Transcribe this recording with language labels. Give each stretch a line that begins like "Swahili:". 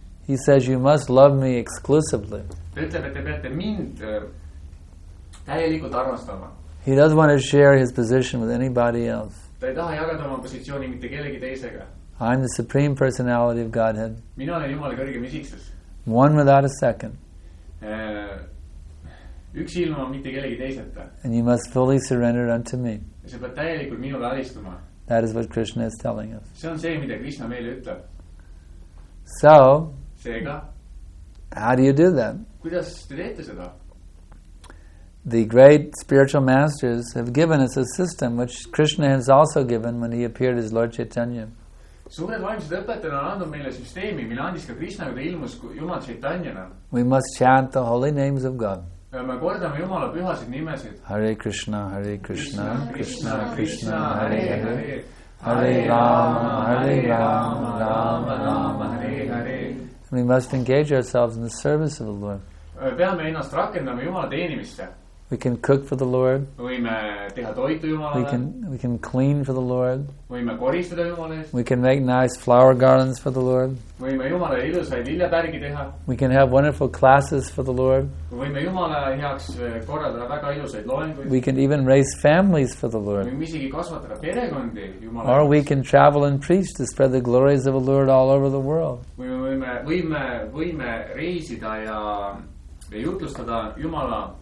English: He says, you must love me exclusively.
Estonian: Ütleb, et te peate mind täielikult arvastama.
English: He doesn't want to share his position with anybody else.
Estonian: Ta ei taha jagada oma positsiooni mitte kellegi teisega.
English: I'm the Supreme Personality of Godhead.
Estonian: Mina olen Jumala kõrgem isiksus.
English: One without a second.
Estonian: Üks ilma mitte kellegi teiseta.
English: And you must fully surrender unto me.
Estonian: See peab täielikult minule alistuma.
English: That is what Krishna is telling us.
Estonian: See on see, mida Krishna meile ütleb.
English: So,
Estonian: seega,
English: how do you do that?
Estonian: Kuidas te teete seda?
English: The great spiritual masters have given us a system which Krishna has also given when he appeared as Lord Chaitanya.
Estonian: Suured vaimsed õpetajad on andnud meile süsteemi, mille andis ka Krishna, kui ta ilmus Jumal Chaitanyana.
English: We must chant the holy names of God.
Estonian: Me kordame Jumala pühasid nimesid.
Sanskrit: Hare Krishna, Hare Krishna, Krishna Krishna, Hare Hare. Hare Rama, Hare Rama, Rama Rama, Hare Hare.
English: We must engage ourselves in the service of the Lord.
Estonian: Peame ennast rakendama Jumala teenimisse.
English: We can cook for the Lord.
Estonian: Võime teha toitu Jumalale.
English: We can clean for the Lord.
Estonian: Võime koristada Jumale eest.
English: We can make nice flower garlands for the Lord.
Estonian: Võime Jumale ilusaid lillepärgi teha.
English: We can have wonderful classes for the Lord.
Estonian: Võime Jumale heaks korraldada väga ilusaid loenguid.
English: We can even raise families for the Lord.
Estonian: Võime isegi kasvatada perekondi Jumale.
English: Or we can travel and preach to spread the glories of the Lord all over the world.
Estonian: Võime reisida ja jutlustada Jumala.